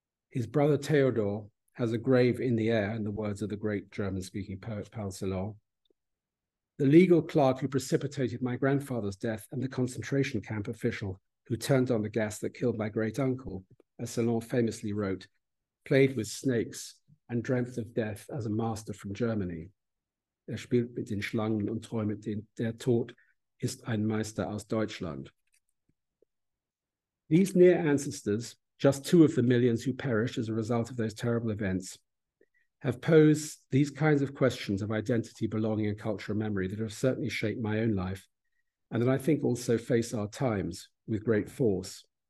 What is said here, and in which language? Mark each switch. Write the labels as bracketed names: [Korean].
[English] His brother Theodor has a grave in the air, in the words of the great German-speaking poet Paul Celan. The legal clerk who precipitated my grandfather's death and the concentration camp official who turned on the gas that killed my great uncle, as Celan famously wrote, played with snakes and dreamt of death as a master from Germany. [German] Er spielt mit den Schlangen und träumt den, der Tod ist ein Meister aus Deutschland. [English] These near ancestors, just two of the millions who perished as a result of those terrible events, have posed these kinds of questions of identity, belonging, and cultural memory that have certainly shaped my own life, and that I think also face our times with great force.